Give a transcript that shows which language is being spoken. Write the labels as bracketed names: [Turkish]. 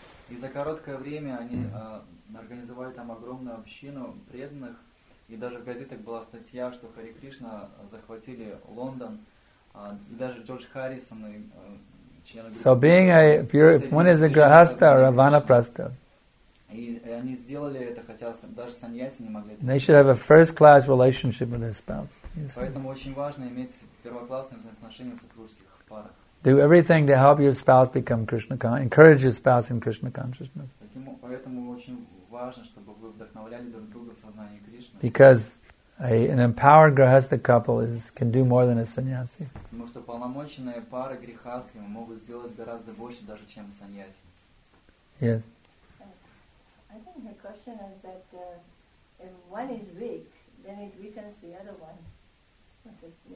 [Russian] И за короткое время они организовали там огромную общину преданных, и даже в газетах была статья, что Хари Кришна захватили Лондон, и даже Джордж Харрисон и [English] So being a pure, one is a grahastha or a vanaprastha. [Russian] И они сделали это, хотя даже сannyasi не могли. [English] They should have a first-class relationship with their spouse. [Russian] Поэтому очень важно иметь первоклассные взаимоотношения в супружеских парах. [English] Do everything to help your spouse become Krishna conscious. Encourage your spouse in Krishna consciousness. [Russian] Поэтому очень важно, чтобы вы вдохновляли друг друга в сознании Кришны. [English] Because an empowered grihastha couple can do more than a sannyasi. [Russian] Потому что полномоченные пары грихастхи могут сделать гораздо больше даже, чем сannyasi. [English] Yes. I think the question is that if one is weak, then it weakens the other one.